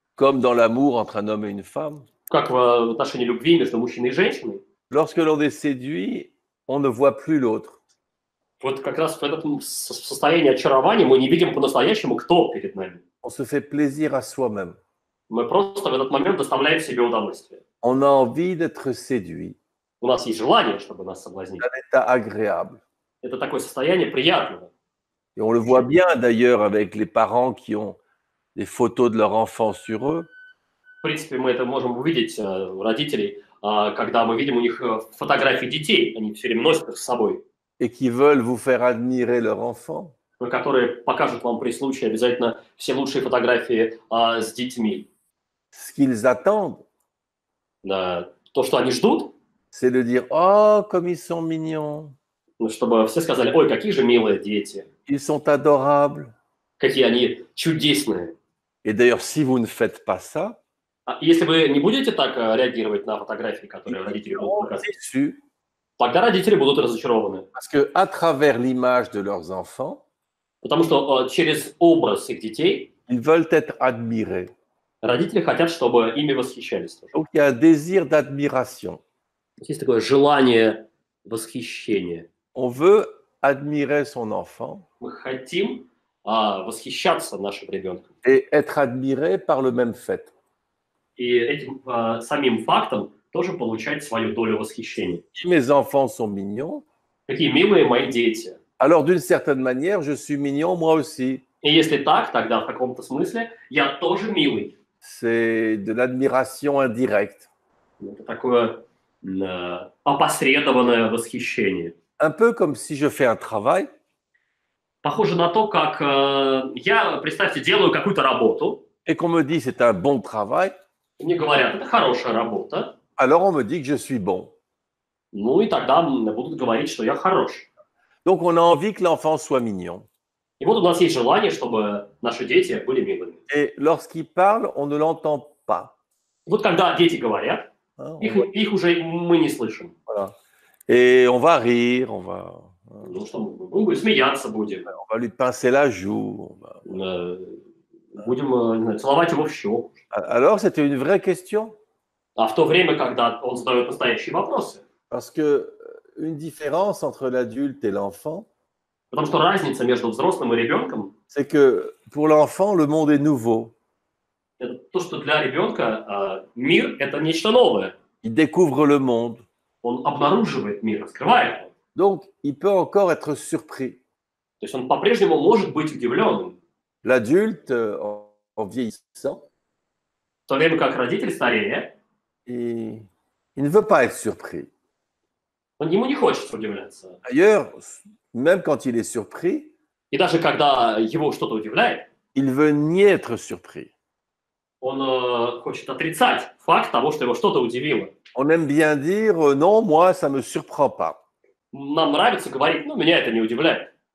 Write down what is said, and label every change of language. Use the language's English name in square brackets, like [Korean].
[French] comme dans l'amour entre un homme et une femme, [Russian] как в отношении любви между мужчиной и женщиной, [French] lorsque l'on est séduit, on ne voit plus l'autre. [Russian] Вот как раз в этом состоянии очарования мы не видим по-настоящему, кто перед нами. [French] On se fait plaisir à soi-même. [Russian] Мы просто в этот момент доставляем себе удовольствие. [French] On a envie d'être séduit. [Russian] У нас есть желание, чтобы нас соблазнили. [French] Un état agréable. [Russian] Это такое состояние приятное. [French] Et on le voit bien d'ailleurs avec les parents qui ont des photos de leur enfant sur eux. [Russian] В принципе, мы это можем увидеть у родителей, когда мы видим у них фотографии детей, они все время носят их с собой. [French] Et qui veulent vous faire admirer leur enfant. [Russian] Которые покажут вам при случае обязательно все лучшие фотографии с детьми. [French] Ce qu'ils attendent. [Russian] То, что они ждут. [French] C'est de dire, oh, comme ils sont mignons. [Russian] Ну, чтобы все сказали, ой, какие же милые дети. [French] Ils sont adorables. [Russian] Какие они чудесные. [French] Et d'ailleurs, si vous ne faites pas ça, [Russian] если вы не будете так реагировать на фотографии, которые родители будут показывать, тогда родители будут разочарованы. [French] Parce que à travers l'image de leurs enfants, [Russian] потому что через образ их детей, [French] ils veulent être admirés. [Russian] Родители хотят, чтобы ими восхищались. Тоже. [French] Donc, il y a un désir d'admiration. [Russian] Есть такое желание восхищения. [French] On veut admirer son enfant. [Russian] Мы хотим восхищаться нашим ребенком. [French] Et être admiré par le même fait. [Russian] И этим самим фактом тоже получать свою долю восхищения. [French] Si mes enfants sont mignons. [Russian] Какие милые мои дети. [French] Alors d'une certaine manière, je suis mignon moi aussi. [Russian] И если так, тогда в каком-то смысле я тоже милый. [French] C'est de l'admiration indirecte. [Russian] Это такое опосредованное восхищение. [French] Un peu comme si je fais un travail. [Russian] Похоже на то, как я, представьте, делаю какую-то работу. [French] Et qu'on me dit c'est un bon travail. [Russian] Мне говорят, это хорошая работа. [French] Alors on me dit que je suis bon. [Russian] Ну и тогда мне будут говорить, что я хорош. [French] Donc on a envie que l'enfant soit mignon. [Russian] И вот у нас есть желание, чтобы наши дети были милыми. [French] Et lorsqu'il parle, on ne l'entend pas. [Russian] Вот когда дети говорят, их уже мы не слышим. [French] Voilà. Et on va rire, on va... [Russian] Ну, что, мы будем смеяться, будем. [French] On va lui pincer la joue. On va... [Russian] Будем целовать его в щеку. [French] Alors, c'était une vraie question. [Russian] А в то время, когда он задает настоящие вопросы. [French] Parce que une différence entre l'adulte et l'enfant, [Russian] потому что разница между взрослым и ребенком, [French] c'est que pour l'enfant, le monde est nouveau. [Russian] Это то, что для ребенка мир – это нечто новое. [French] Il découvre le monde. [Russian] Он обнаруживает мир, раскрывает его. [French] Donc, il peut encore être surpris. [Russian] То есть он по-прежнему может быть удивленным. [French] L'adulte, en vieillissant, [Russian] в то время как родитель стареет, [French] il ne veut pas être surpris. [Russian] Он, ему не хочется удивляться. [French] D'ailleurs, même quand il est surpris, [Russian] и даже когда его что-то удивляет, [French] il veut nier être surpris. [Russian] Он хочет отрицать факт того, что его что-то удивило. [French] On aime bien dire non, moi ça me surprend pas. [Russian] Нам нравится говорить, ну меня это не удивляет.